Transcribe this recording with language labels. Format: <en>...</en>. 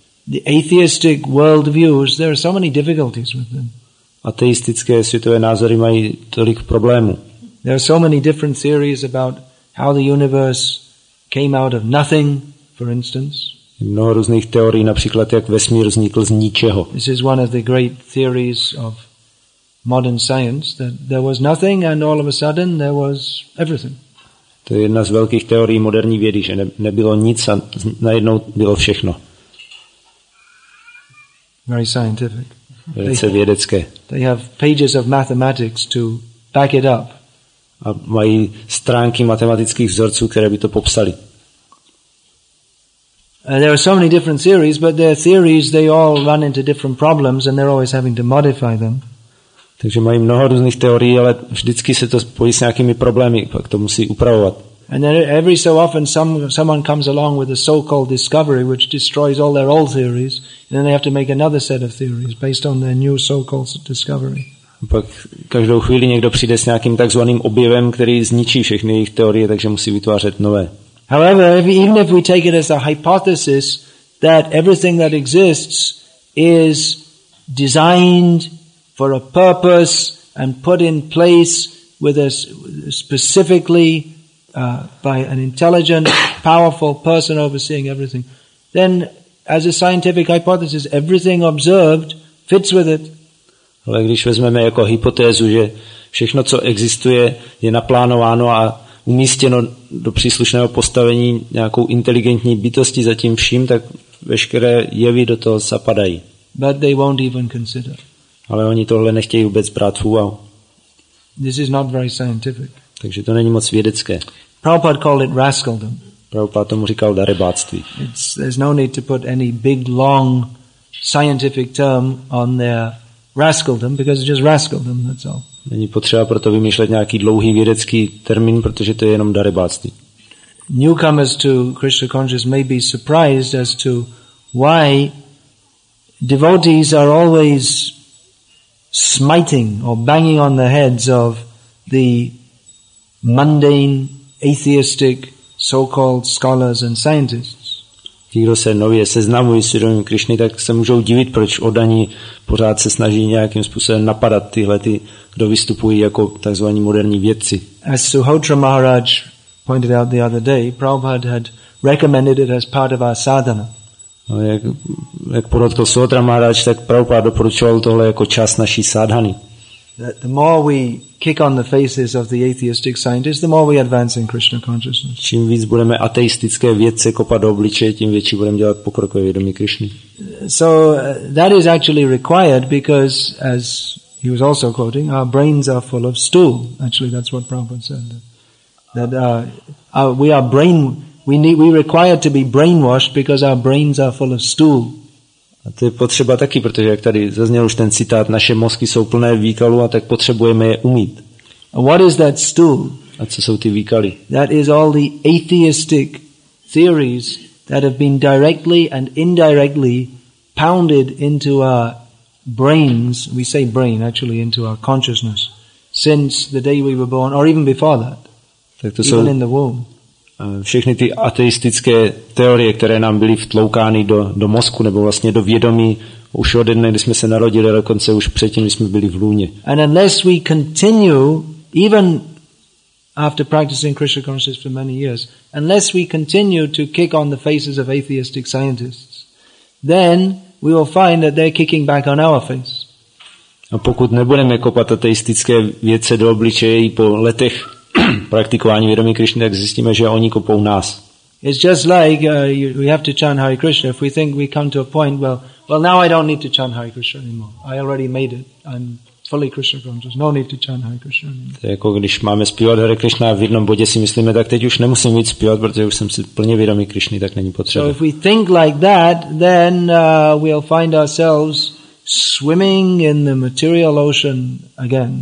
<en>The atheistic worldviews, there are so many difficulties with them.</en> <cs>Ateistické světové názory mají tolik problémů.</cs> <en>There are so many different theories about how the universe came out of nothing, for instance.</en> <cs>Mnoho různých teorií, například jak vesmír vznikl z ničeho.</cs> <en>This is one of the great theories of modern science, that there was nothing and all of a sudden there was everything.</en> <cs>To je jedna z velkých teorií moderní vědy, že nebylo nic a najednou bylo všechno.</cs> <en>Very scientific.</en> <cs>Velice vědecké.</cs> <en>They have pages of mathematics to back it up.</en> <cs>A mají stránky matematických vzorců, které by to popsali.</cs> <en>There are so many different theories, but their theories, they all run into different problems and they're always having to modify them.</en> <cs>Takže mají mnoho různých teorií, ale vždycky se to spojí s nějakými problémy, pak to musí upravovat.</cs> <en>And then every so often someone comes along with a so-called discovery which destroys all their old theories, and then they have to make another set of theories based on their new so-called discovery.</en> <cs>Pak každou chvíli někdo přijde s nějakým takzvaným objevem, který zničí všechny jejich teorie, takže musí vytvářet nové.</cs> <en>However, even if we take it as a hypothesis that everything that exists is designed for a purpose and put in place with a specifically by an intelligent, powerful person overseeing everything, then as a scientific hypothesis, everything observed fits with it.</en> <cs>Ale když vezmeme jako hypotézu, že všechno, co existuje, je naplánováno a umístěno do příslušného postavení nějakou inteligentní bytostí za tím vším, tak veškeré jevy do toho zapadají.</cs> <en>But they won't even consider.</en> <cs>Ale oni tohle nechtějí vůbec brát v úvahu.</cs> <en>This is not very scientific.</en> <cs>Takže to není moc vědecké.</cs> <en>Prabhupada called it rascaldom.</en> <cs>Prabhupada tomu říkal darebáctví.</cs> <en>There's no need to put any big long scientific term on their rascaldom, because it's just rascaldom, that's all.</en> <cs>Není potřeba proto vymýšlet nějaký dlouhý vědecký termín, protože to je jenom darebáctví.</cs> <en>Newcomers to Krishna consciousness may be surprised as to why devotees are always smiting or banging on the heads of the mundane, atheistic, so-called scholars and scientists.</en> <cs>Ti, kdo se nově seznamují s vědomím Krišny, tak se můžou divit, proč oddaní pořád se snaží nějakým způsobem napadat tyhle ty, kdo vystupují jako takzvaní moderní vědci.</cs> <en>As Suhotra Maharaj pointed out the other day, Prabhupada had recommended it as part of our sadhana.</en> <cs>No, jak podotkl Suhotra Maharaj, tak Prabhupada doporučoval tohle jako čas naší sádhany.</cs> <en>The more we kick on the faces of the atheistic scientists, the more we advance in Krishna consciousness.</en> <cs>Čím víc budeme ateistické vědce kopat do obličeje, tím větší budeme dělat pokrok ve vědomí Krišny.</cs> <en>So that is actually required because, as he was also quoting, our brains are full of stool. Actually, that's what Prabhupada said. We require to be brainwashed because our brains are full of stool.</en> <cs>A to je potřeba taky, protože jak tady zazněl už ten citát, naše mozky jsou plné výkalů a tak potřebujeme je umýt.</cs> <en>What is that stool?</en> <cs>A co jsou ty výkaly?</cs> <en>That is all the atheistic theories that have been directly and indirectly pounded into our brains, we say brain actually, into our consciousness, since the day we were born, or even before that,</en> <cs>tak to jsou</cs> <en>even in the womb.</en> <cs>Všechny ty ateistické teorie, které nám byly vtloukány do mozku nebo vlastně do vědomí už od dne, kdy jsme se narodili, dokonce už předtím, kdy jsme byli v lůně.</cs> <en>And unless we continue, even after practicing Krishna consciousness for many years, unless we continue to kick on the faces of atheistic scientists, then we will find that they're kicking back on our face.</en> <cs>A pokud nebudeme kopat ateistické vědce do obličeje i po letech praktikování vědomí Krišny, tak zjistíme, že oni kopou nás.</cs> <en>It's just like we have to chant Hare Krishna. If we think we come to a point, well, now I don't need to chant Hare Krishna anymore. I already made it. I'm fully Krishna conscious. No need to chant Hare Krishna anymore.</en> <cs>To je jako když máme zpívat Hare Krishna a v jednom bodě si myslíme, tak teď už nemusím víc zpívat, protože už jsem si plně vědomí Krišny, tak není potřeba.</cs> <en>So if we think like that, then we'll find ourselves swimming in the material ocean again.</en>